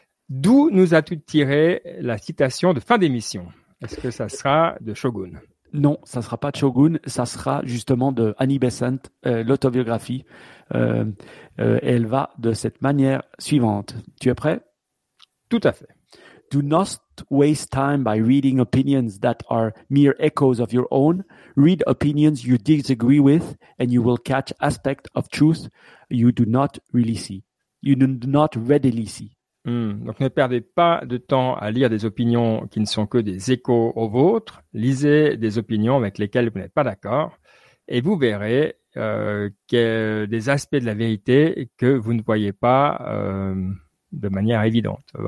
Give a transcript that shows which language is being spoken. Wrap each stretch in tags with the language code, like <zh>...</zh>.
<fr>D'où nous as-tu tiré la citation de fin d'émission ? Est-ce que ça sera de Shogun ? Non, ça ne sera pas de Shogun, ça sera justement de Annie Besant, l'autobiographie. Elle va de cette manière suivante. Tu es prêt? Tout à fait.</fr> <en>Do not waste time by reading opinions that are mere echoes of your own. Read opinions you disagree with and you will catch aspects of truth you do not really see. You do not readily see.</en> <fr>Donc, ne perdez pas de temps à lire des opinions qui ne sont que des échos aux vôtres. Lisez des opinions avec lesquelles vous n'êtes pas d'accord et vous verrez des aspects de la vérité que vous ne voyez pas de manière évidente.</fr>